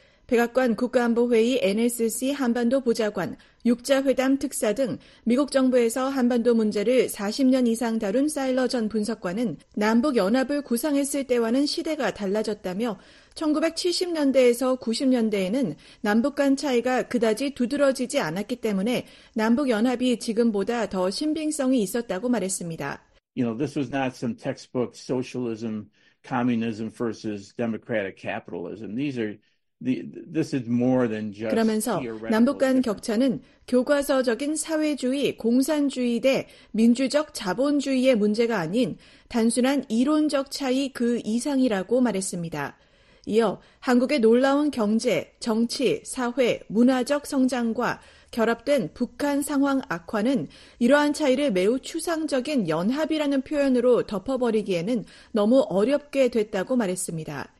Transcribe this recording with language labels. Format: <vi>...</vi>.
<ko>백악관 국가안보회의 NSC 한반도 보좌관, 육자회담 특사 등 미국 정부에서 한반도 문제를 40년 이상 다룬 사일러 전 분석관은 남북연합을 구상했을 때와는 시대가 달라졌다며 1970년대에서 90년대에는 남북 간 차이가 그다지 두드러지지 않았기 때문에 남북연합이 지금보다 더 신빙성이 있었다고 말했습니다.</ko> <en>You know, this was not some textbook socialism, communism versus democratic capitalism. These are This is more than just</en> <ko>그러면서 남북 간 격차는 교과서적인 사회주의, 공산주의 대 민주적 자본주의의 문제가 아닌 단순한 이론적 차이 그 이상이라고 말했습니다. 이어 한국의 놀라운 경제, 정치, 사회, 문화적 성장과 결합된 북한 상황 악화는 이러한 차이를 매우 추상적인 연합이라는 표현으로 덮어버리기에는 너무 어렵게 됐다고 말했습니다.</ko>